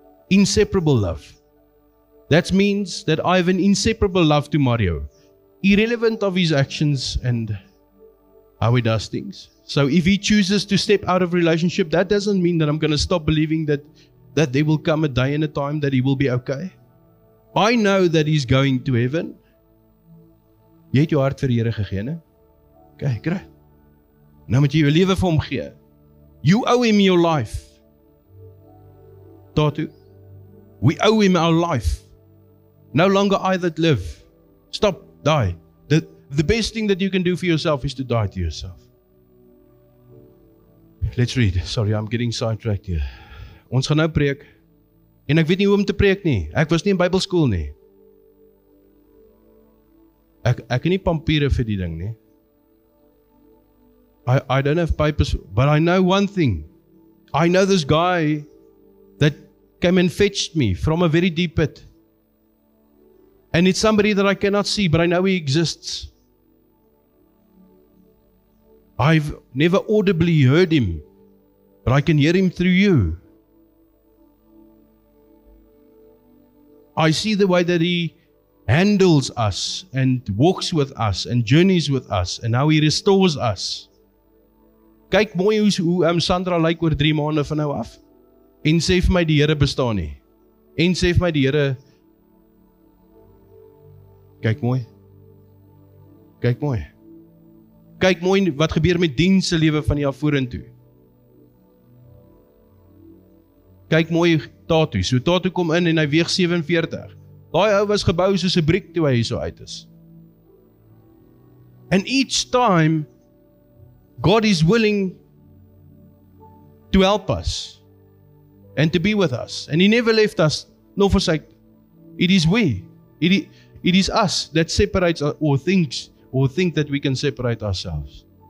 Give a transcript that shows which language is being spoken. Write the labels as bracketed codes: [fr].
[en] Inseparable love. That means that I have an inseparable love to Mario, irrelevant of his actions and how he does things. So if he chooses to step out of relationship, that doesn't mean that I'm going to stop believing that there will come a day and a time that he will be okay. I know that he's going to heaven. [af] Jy het jou hart vir die Here gegee, né? [en] Okay, great. [af] Nou moet jy jou lewe vir hom gee. [en] You owe him your life. Tatu. We owe him our life. No longer I that live. Stop, die. The best thing that you can do for yourself is to die to yourself. Let's read. Sorry, I'm getting sidetracked here. [af] Ons gaan nou preek. En ek weet nie hoe om te preek nie. Ek was nie in Bybelskool nie. Ek het nie pampiere vir die ding nie. [en] I don't have papers, but I know one thing. I know this guy that came and fetched me from a very deep pit. And it's somebody that I cannot see, but I know he exists. I've never audibly heard him, but I can hear him through you. I see the way that he handles us and walks with us and journeys with us and how he restores us. [af] Kyk mooi hoe Sandra lyk oor 3 maande van nou af. En sê vir my die Here bestaan nie. En sê vir my die Here. Kyk mooi. Kyk mooi. Kyk mooi wat gebeur met dien se lewe van hier vorentoe. Kyk mooi Tatu. So Tatu kom in en hy weeg 47. Daai ou was gebou soos 'n briek toe hy hier so uit is. [en] And each time God is willing to help us and to be with us. And he never left us, nor forsake. It is us that separates or think that we can separate ourselves.